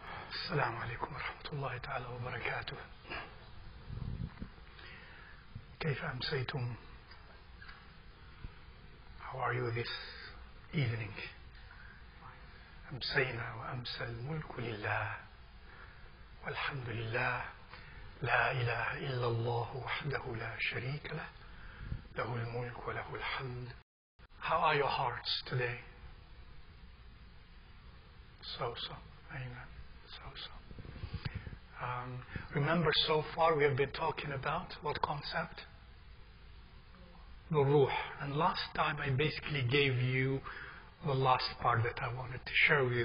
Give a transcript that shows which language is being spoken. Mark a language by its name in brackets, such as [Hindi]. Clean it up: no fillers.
[Arabic] السلام عليكم ورحمة الله تعالى وبركاته. كيف أمسيتم؟ [English] How are you this evening? [Arabic] أمسينا وأمسى الملك لله والحمد لله. لا إله إلا الله وحده لا شريك له, له الملك وله الحمد. [English] How are your hearts today? So-so. Amen. So-so. Remember, so far we have been talking about what concept? The ruh. And last time I basically gave you the last part that I wanted to share with you.